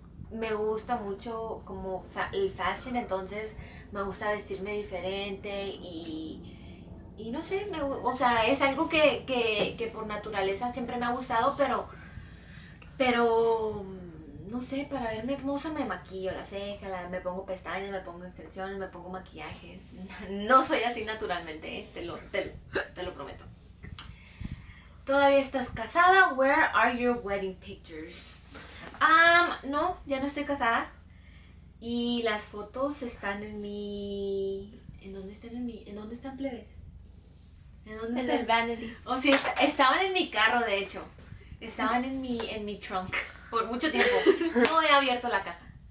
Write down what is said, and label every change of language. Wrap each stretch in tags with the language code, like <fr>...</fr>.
<es>Me gusta mucho como el fashion, entonces me gusta vestirme diferente y no sé, o sea, es algo que por naturaleza siempre me ha gustado, pero no sé, para verme hermosa me maquillo la ceja, me pongo pestañas, me pongo extensiones, me pongo maquillaje. No soy así naturalmente, te lo prometo. ¿Todavía estás casada?</es> <en>Where are your wedding pictures?</en> <es>No, ya no estoy casada. Y las fotos están en mi ¿En dónde están en mi, en dónde están plebes? ¿En dónde están? En el vanity. O sea, estaban en mi carro, de hecho. Estaban en mi trunk. Por mucho tiempo. No he abierto la caja.</es>